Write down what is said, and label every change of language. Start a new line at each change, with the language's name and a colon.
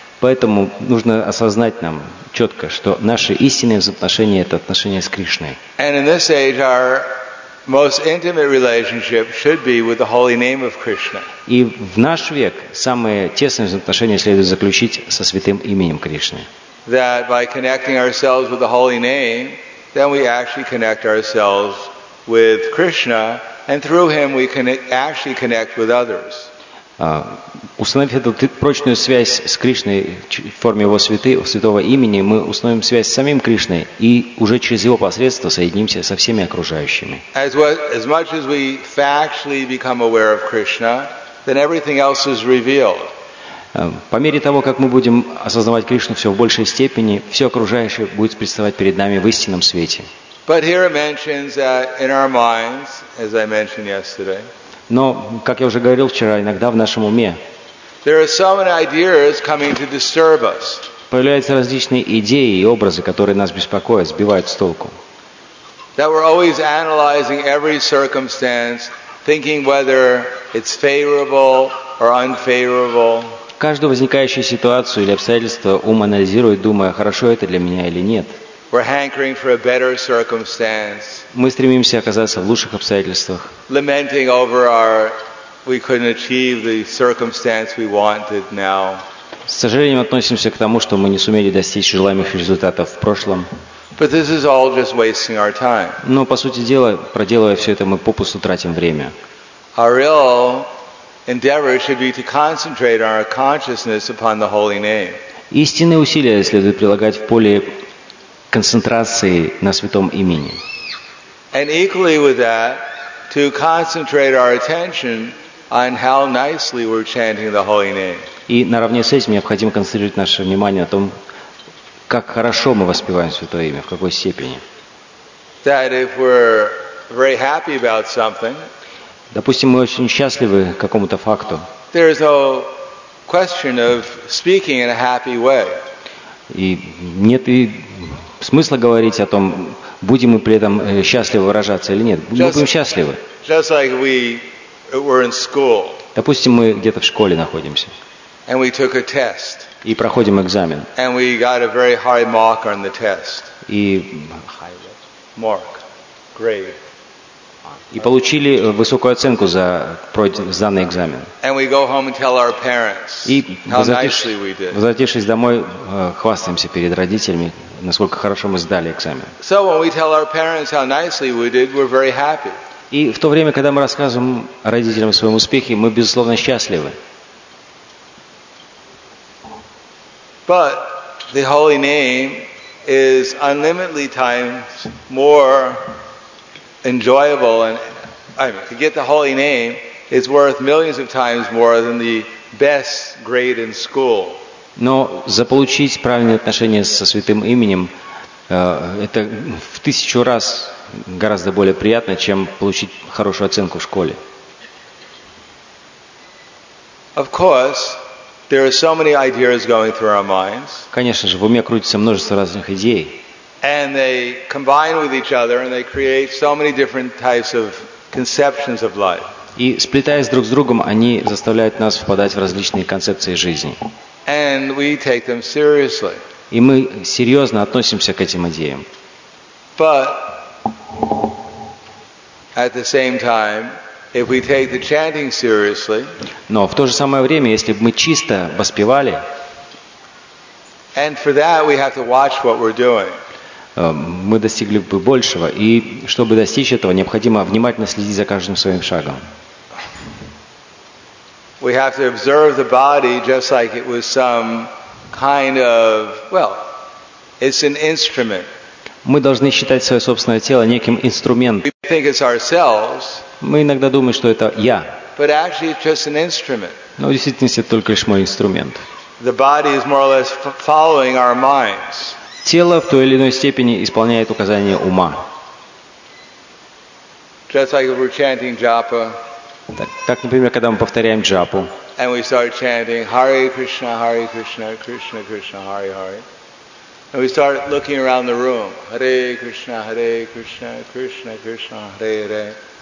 Russian: Поэтому нужно осознать нам четко, что наши истинные взаимоотношения — это отношения с Кришной.
English: And in this age, our most intimate relationship should be with the holy name of Krishna.
Russian: И в наш век самые тесные взаимоотношения следует заключить со святым именем Кришны.
English: That by connecting ourselves with the holy name, then we actually connect ourselves with Krishna, and through him we can actually connect with others.
Russian: Установив эту прочную связь с Кришной в форме его святого имени, мы установим связь с самим Кришной и уже через его посредство соединимся со всеми окружающими.
English: As much as we factually become aware of Krishna, then everything else is revealed.
Russian: По мере того, как мы будем осознавать Кришну все в большей степени, все окружающее будет представать перед нами в истинном свете.
English: But here it mentions that in our minds, as I mentioned yesterday,
Russian: но, как я уже говорил вчера, иногда в нашем уме появляются различные идеи и образы, которые нас беспокоят, сбивают с толку.
English: That we're always analyzing every circumstance, thinking whether it's favorable or unfavorable.
Russian: Каждую возникающую ситуацию или обстоятельство ум анализирует, думая, хорошо это для меня или нет.
English: We're hankering for a better circumstance.
Russian: Мы стремимся оказаться в лучших обстоятельствах.
English: Lamenting over our, we couldn't achieve the circumstance we wanted now.
Russian: С сожалением относимся к тому, что мы не сумели достичь желаемых результатов в прошлом.
English: But this is all just wasting our time.
Russian: Но по сути дела, проделывая все это, мы попусту тратим время.
English: Our real endeavor should be to concentrate our consciousness upon the holy name.
Russian: Истинные усилия следует прилагать в поле концентрации на святом имени.
English: And equally with that, to concentrate our attention on how nicely we're chanting the holy name.
Russian: И наравне с этим необходимо концентрировать наше внимание на том, как хорошо мы воспеваем святое имя, в какой степени.
English: That if we're very happy about something,
Russian: допустим, мы очень счастливы какому-то факту,
English: there is no question of speaking in a happy way.
Russian: И нет и смысла говорить о том, будем мы при этом счастливо выражаться или нет. Мы будем счастливы.
English: Just like we were in school.
Russian: Допустим, мы где-то в школе находимся.
English: And we took a test.
Russian: И проходим экзамен.
English: And we got a very high mark on the test.
Russian: И
English: mark. Grade.
Russian: И получили высокую оценку за данный экзамен.
English: And we go home and tell our parents how nicely we did.
Russian: Возвратившись домой, хвастаемся перед родителями, насколько хорошо мы сдали экзамен.
English: So when we tell our parents how nicely we did, we're very happy.
Russian: И в то время, когда мы рассказываем родителям о своем успехе, мы безусловно счастливы.
English: But the holy name is unlimitedly times more enjoyable, and I mean, to get the holy name is worth millions of times more than the best grade in school.
Russian: Но заполучить правильное отношение со святым именем это в тысячу раз гораздо более приятно, чем получить хорошую оценку в школе.
English: Of course, there are so many ideas going through our minds.
Russian: Конечно же, в уме крутится множество разных идей.
English: And they combine with each other, and they create so many different types of conceptions of life.
Russian: И сплетаясь друг с другом, они заставляют нас впадать в различные концепции жизни.
English: And we take them seriously.
Russian: И мы серьезно относимся к этим идеям.
English: But at the same time, if we take the chanting seriously,
Russian: но в то же самое время, если бы мы чисто воспевали,
English: and for that we have to watch what we're doing.
Russian: мы достигли бы большего. И чтобы достичь этого, необходимо внимательно следить за каждым своим шагом.
English: We have to observe the body just like it was some kind of, well, it's an instrument.
Russian: Мы должны считать свое собственное тело неким инструментом.
English: We think it's ourselves.
Russian: Мы иногда думаем, что это я.
English: But actually, it's just an instrument.
Russian: Но в действительности это только лишь мой инструмент.
English: The body is more or less following our minds.
Russian: Тело в той или иной степени исполняет указания ума.
English: Just like we're chanting japa.
Russian: Так, например, когда мы повторяем джапу.
English: And we start chanting Hare Krishna, Hare Krishna, Krishna Krishna, Hare Hare. And we start looking around the room. Hare Krishna, Hare Krishna, Krishna Krishna, Hare Hare.